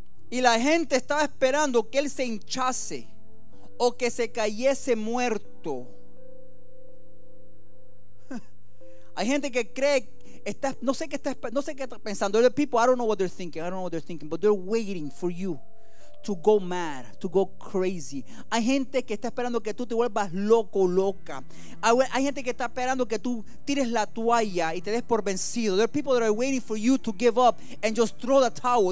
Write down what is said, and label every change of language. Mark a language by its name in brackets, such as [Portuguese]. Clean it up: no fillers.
[Spanish] Y la gente estaba esperando que él se hinchase o que se cayese muerto. Hay gente que cree, está, no sé qué está, no sé qué está pensando. [English] The people, I don't know what they're thinking, but they're waiting for you to go mad, to go crazy. [Spanish] Hay gente que está esperando que tú te vuelvas loco, loca. Hay gente que está esperando que tú tires la toalla y te des por vencido. [English] There are people that are waiting for you to give up and just throw the towel.